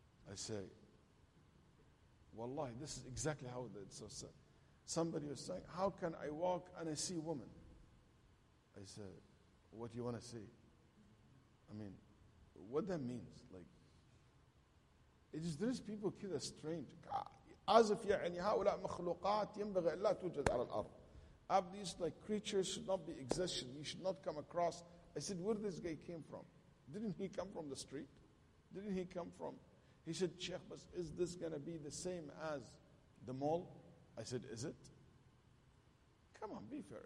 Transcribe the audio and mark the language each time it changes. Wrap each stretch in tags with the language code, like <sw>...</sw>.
<en>I say, wallahi, this is exactly how it is said. Somebody was saying, how can I walk and I see woman? I said, what do you want to see? I mean, what that means? Like, it is there's people kid are strange. As if</en> <ar>يعني هؤلاء مخلوقات ينبغي لا توجد على الأرض.</ar> <en>These like creatures should not be existing. You should not come across. I said, where this guy came from? Didn't he come from the street? Didn't he come from? He said, Sheikh, but is this going to be the same as the mall? I said, is it? Come on, be fair.</en>